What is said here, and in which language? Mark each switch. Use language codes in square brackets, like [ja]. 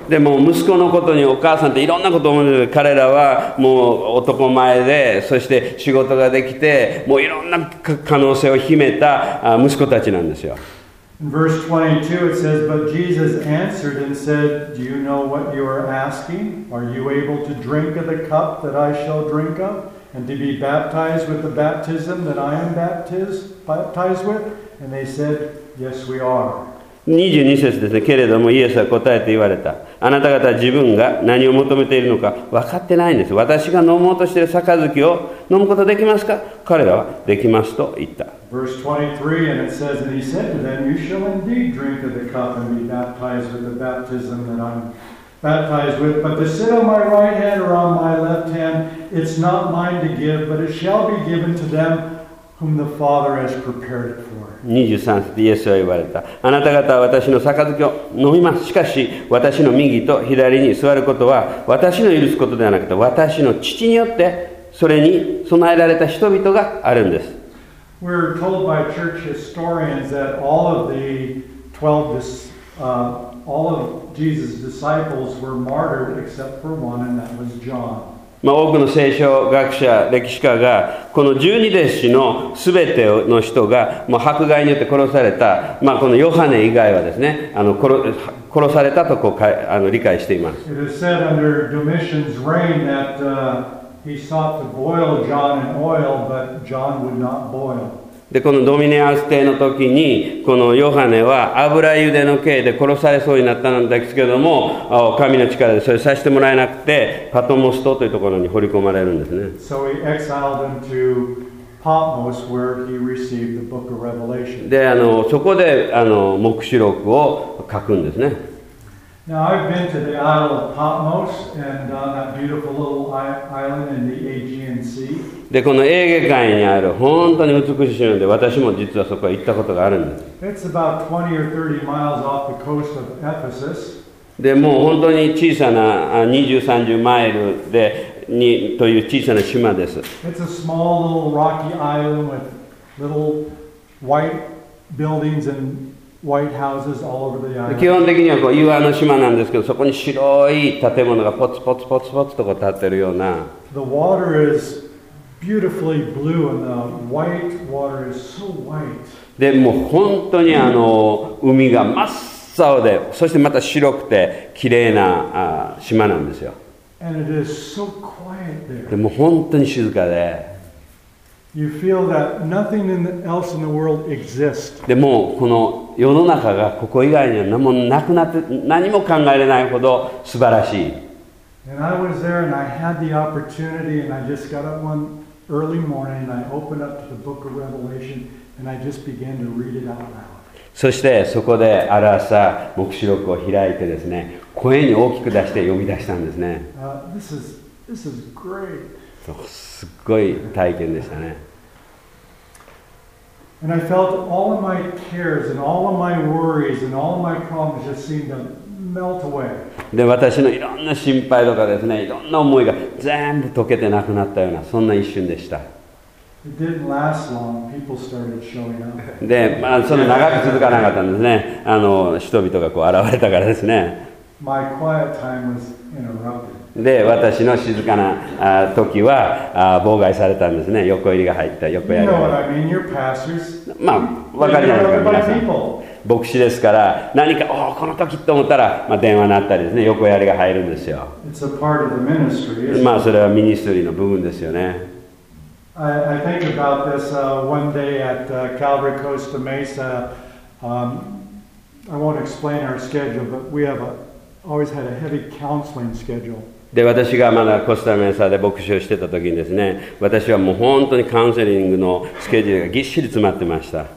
[ja] でも息子のことにお母さんっていろんなことを思うんですけど、彼らはもう男前で、そして仕事ができて、もういろんな可能性を秘めた息子たちなんですよ。 [en] In verse 22 it says, But Jesus answered and said, Do you know what you are asking? Are you able to drink of the cup that I shall drink of? And to be baptized with the baptism that I am baptized with? And they said, Yes, we are. [ja] 22節ですね。けれどもイエスは答えて言われた。あなた方は自分が何を求めているのか分かってないんです。私が飲もうとしている杯を飲むことできますか。彼らはできますと言った。 [en] Verse 23 and it says and he said to them you shall indeed drink of the cup and be baptized with the baptism that I'm baptized with but to sit on my right hand or on my left hand it's not mine to give but it shall be given to them whom the Father has prepared for. [ja] 23節でイエスは言われた。あなた方は私の杯を飲みます。しかし私の右と左に座ることは私の許すことではなくて私の父によってそれに備えられた人々があるんです。 [en] We're told by church historians that all of the 12 all of Jesus' disciples were martyred except for one and that was John. [ja] まあ、多くの聖書学者、歴史家がこの十二弟子の全ての人がもう迫害によって殺された、まあ、このヨハネ以外はですね、あの 殺されたとこうかあの理解しています。 [en] It is said under Domitian's reign that he sought to boil John in oil but John would not boil。 [ja] でこのドミネアス帝の時にこのヨハネは油ゆでの刑で殺されそうになったんですけども、神の力でそれさせてもらえなくてパトモス島というところに放り込まれるんですね。 [en] So he exiled him to Patmos where he received the book of Revelation. [ja] でそこで黙示録を書くんですね。 [en] Now I've been to the Isle of Patmos and on that beautiful little island in the Aegean [ja] でこのエーゲ海にある本当に美しい海で、私も実はそこへ行ったことがあるんです。 [en] It's about 20 or 30 miles off the coast of Ephesus. [ja] でもう本当に小さな20、30マイルでにという小さな島です。 [en] It's a small little rocky island with little white buildings and white houses all over the island. [ja] 基本的にはこう岩の島なんですけど、そこに白い建物がポツポツポツポツとこう立ってるような。 [en] The water isBeautifully blue and the white water is so white. [ja] でも本当にあの海が真っ青で、そしてまた白くて綺麗な島なんですよ。 [en] And it is so quiet there. [ja] でも本当に静かで。 [en] You feel that nothing else in the world exists. [ja] でもこの世の中がここ以外には何もなくなって、何も考えれないほど素晴らしい。 [en] And I was there and I had the opportunity and I just got up one early morning and I opened up to the book of Revelation and I just began to read it out loud. [ja] そしてそこである朝、黙示録を開いてですね、声に大きく出して読み出したんですね。 [en] This is great. [ja] すっごい体験でしたね。 [en] And I felt all of my cares and all of my worries and all of my problems just seemed to melt away. [ja] で、私のいろんな心配とかですね、いろんな思いが全部溶けてなくなったような、そんな一瞬でした。 [en] It didn't last long. People started showing up. [ja] で、まあ、その長く続かなかったんですね。あの、人々がこう現れたからですね。 My quiet time was interrupted. で、私の静かな時は妨害されたんですね。横入りが入った、横やりが入った。 [en] You know what I mean? Your pastors. [ja] まあ、わかりますか、皆さん。牧師ですから、何かおこの時と思ったら、まあ、電話になったりですね、横やりが入るんですよ。 [en] It's a part of the ministry, isn't [ja] it? まあそれはミニストリーの部分ですよね。 [en] I think about this one day at Calvary Costa Mesa. I won't explain our schedule, but we have always had a heavy counseling schedule. [ja] で、私がまだコスタメーサーで牧師をしてた時にですね、私はもう本当にカウンセリングのスケジュールがぎっしり詰まってました。